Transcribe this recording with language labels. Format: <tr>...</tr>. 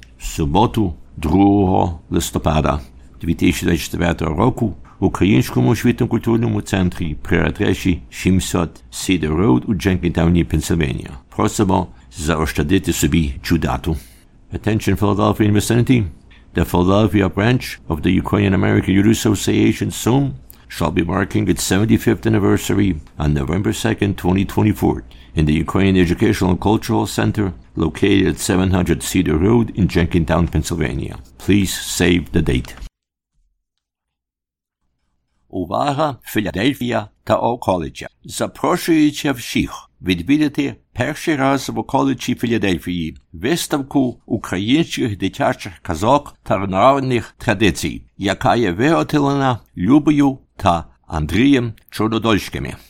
<uk>В суботу, 2 листопада 2024 року, в Українському освітньо-культурному центрі при адресі 700 Cedar Road у Дженкінтауні, Пенсильванія. Просимо заощадити собі цю дату.</uk> <en>Attention Philadelphia and vicinity. The Philadelphia branch of the Ukrainian American Youth Association SUM shall be marking its 75th anniversary on November 2nd, 2024 in the Ukrainian Educational and Cultural Center located at 700 Cedar Road in Jenkintown, Pennsylvania. Please save the date.</en> <uk>Увага, Філадельфія та околиця. Запрошується всіх відвідати перший раз в околиці Філадельфії виставку українських дитячих казок та народних традицій, яка є виготовлена Любою та Андрієм Чорнодольськими.</uk>